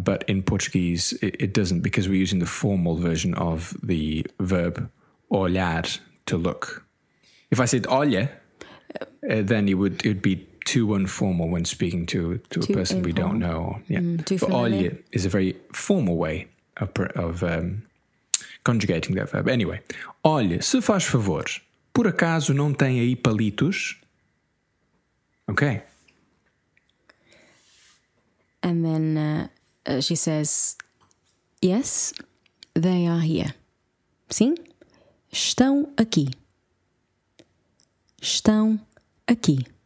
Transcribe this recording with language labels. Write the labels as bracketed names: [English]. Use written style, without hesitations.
[English] But in Portuguese, it doesn't, because we're using the formal version of the verb olhar, to look. If I said olha, then it would be too informal when speaking to a person we don't know. Yeah. But olha is a very formal way of conjugating that verb. [Portuguese] Anyway, olha, se faz favor, por acaso não tem aí palitos? [English] Okay. And then she says, yes, they are here. [Portuguese] Sim, estão aqui. Estão aqui.